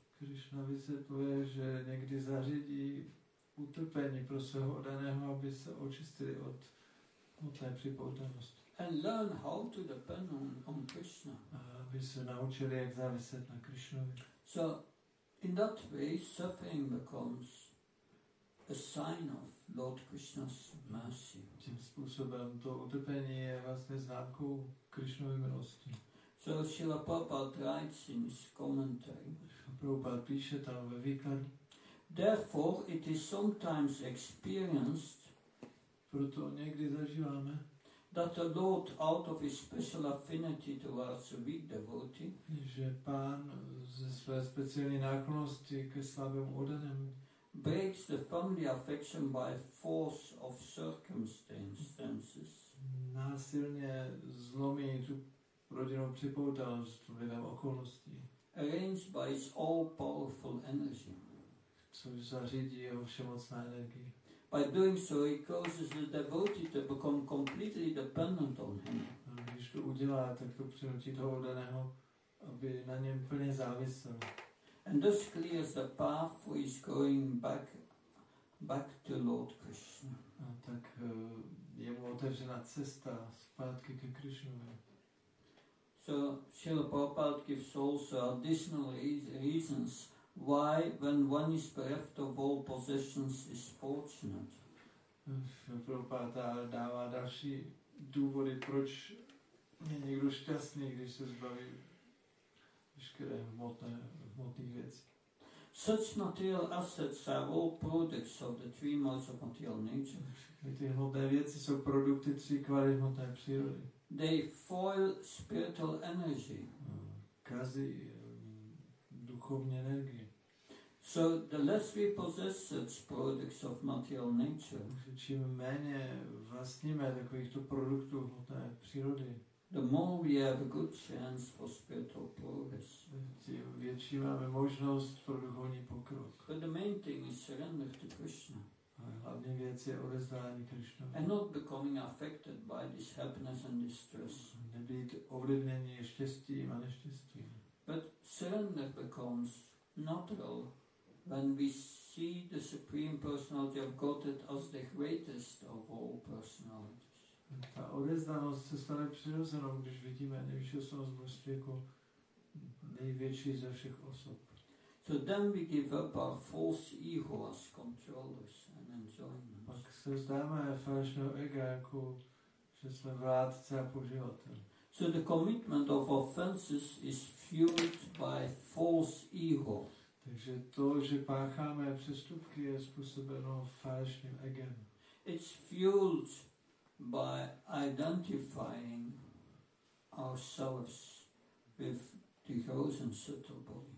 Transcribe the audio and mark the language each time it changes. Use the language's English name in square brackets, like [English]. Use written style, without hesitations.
[Czech] Krishna vysvětluje, že někdy zařídí utrpení pro svého oddaného, aby se očistili od té připoutanosti. [English] And learn how to depend on Krishna. [Czech] Aby se naučili, jak záviset na Krishnovi. [English] So in that way suffering becomes a sign of Lord Krishna's mercy. [Czech] Tím způsobem to utrpení je vlastně známkou Krishnovy milosti. [English] So Srila Prabhupada writes in his commentary. [Czech] Prabhupada píše tam ve výkladu. [English] Therefore it is sometimes experienced, [Czech] proto někdy zažíváme, [English] that the Lord out of his special affinity towards a weak devotee, [Czech] že Pán ze své speciální náklonosti ke slabému oddanému, [English] breaks the family affection by force of circumstances. [Czech] Násilně zlomí tu rodinnou připoutanost vlivem okolností. [English] Arranged by his all-powerful energy. [Czech] Což zařídí jeho všemocná energie. [English] By doing so he causes the devotee to become completely dependent on him. [Czech] A když to udělá, tak to přinutí toho daného, aby na něm plně závisel. [English] And thus clears the path for his going back to Lord Krishna. [Czech] A tak je mu otevřena cesta zpátky ke Krishnovi. [English] So Srila Prabhupada gives also additional reasons why when one is bereft of all possessions is fortunate. [Czech] Srila Prabhupada dává další důvody, proč je někdo šťastný, když se zbaví všechny hmotné věci. [English] Such material assets are all products of the three modes of material nature. [Czech] Ty hmotné věci jsou produkty tří kvalit hmotné přírody. [English] They foil spiritual energy. [Czech] Kazí duchovní energie. [English] So the less we possess such products of material nature, [Czech] čím méně vlastníme takovýchto produktů hmotné přírody, [English] the more we have a good chance for spiritual progress. [Czech] Tím větší máme možnost pro duchovní pokrok. [English] But the main thing is surrender to Krishna. [Czech] Hlavní věc je odezdání Krišnovi. [English] And not becoming affected by this happiness and distress. [Czech] Nebýt ovlivnění štěstím a neštěstím. [English] But surrender becomes natural when we see the Supreme Personality of Godhead as the greatest of all personalities. [Czech] Ta odezdanost se stane přirozenou, když vidíme nejvyšší osobnost božství jako největší ze všech osob. [English] So then we give up our false ego as controllers and enjoyments. [Czech] Pak se vzdáme falešného ega jako, že jsme vládce a poživatel. [English] So the commitment of offenses is fueled by false ego. [Czech] Takže to, že pácháme přestupky, je způsobeno falešným egem. [English] It's fueled by identifying ourselves with the gross and subtle body.